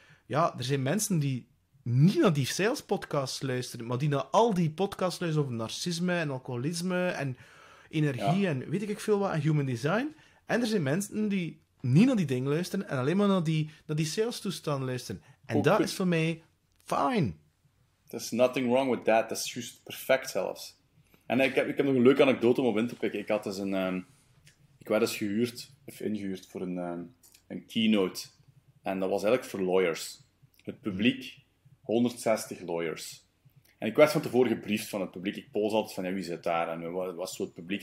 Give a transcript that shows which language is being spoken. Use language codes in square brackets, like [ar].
[nl] Ja, er zijn mensen die niet naar die salespodcasts luisteren, maar die naar al die podcasts luisteren over narcisme en alcoholisme en energie en weet ik veel wat, en human design. En er zijn mensen die niet naar die dingen luisteren en alleen maar naar die sales-toestand luisteren. En dat is voor mij fine. [en] There's nothing wrong with that. That's just perfect [nl] zelfs. En ik heb nog een leuke anekdote om op in te pikken. Ik had dus een... ik werd eens gehuurd, of ingehuurd, voor een keynote. En dat was eigenlijk voor lawyers. Het publiek, 160 lawyers. En ik werd van tevoren gebriefd van het publiek. Ik poos altijd van, ja, wie zit daar? En wat was zo het publiek?